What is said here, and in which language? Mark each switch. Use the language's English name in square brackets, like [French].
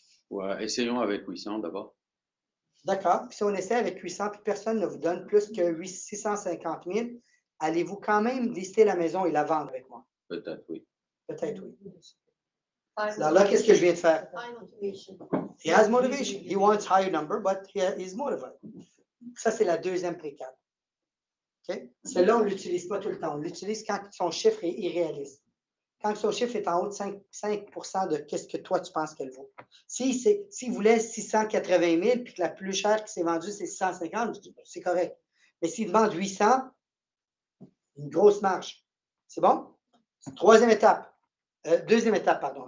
[French] Ouais, essayons avec 800 d'abord. D'accord. Puis si on essaie avec 800 puis personne ne vous donne plus que 650 000, allez-vous quand même lister la maison et la vendre avec moi? Peut-être oui. Peut-être oui. Alors là, qu'est-ce que je viens de faire? [English] He has motivation. He wants higher number, but he is motivated. [French] Ça, c'est la deuxième précale. OK? Celle-là, on ne l'utilise pas tout le temps. On l'utilise quand son chiffre est irréaliste. Quand son chiffre est en haut de 5% de qu'est-ce que toi, tu penses qu'elle vaut. S'il voulait 680 000 puis que la plus chère qui s'est vendue, c'est 650, c'est correct. Mais s'il demande 800, une grosse marge. C'est bon? Troisième étape. Deuxième étape, pardon.